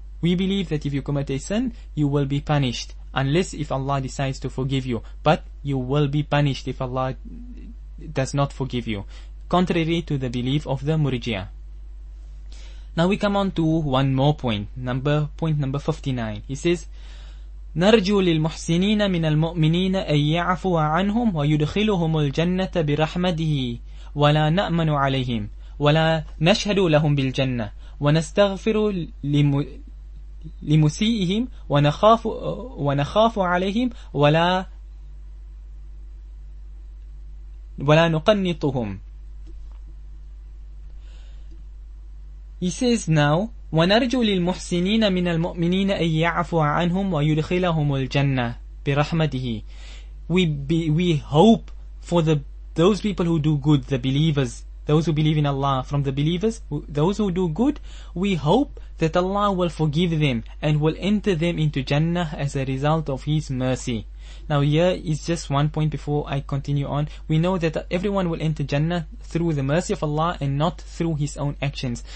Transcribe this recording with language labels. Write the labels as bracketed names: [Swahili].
[English] We believe that if you commit a sin, you will be punished, unless if Allah decides to forgive you. But you will be punished if Allah does not forgive you, contrary to the belief of the Murji'ah. Now we come on to one more point, point number 59. He says, [Arabic] نرجو للمحسنين من المؤمنين أن يعفو عنهم ويدخلهم الجنة برحمته ولا نأمن عليهم ولا نشهد لهم بالجنة ونستغفر لمسيئهم ونخاف عليهم ولا نقنطهم. [English] He says now, [Arabic] ونرجو للمحسنين من المؤمنين أن يعفو عنهم ويدخلهم الجنة برحمته. [English] We hope for those people who do good, the believers, those who believe in Allah, from the believers, those who do good, we hope that Allah will forgive them and will enter them into Jannah as a result of His mercy. Now here is just one point before I continue on. We know that everyone will enter Jannah through the mercy of Allah and not through his own actions.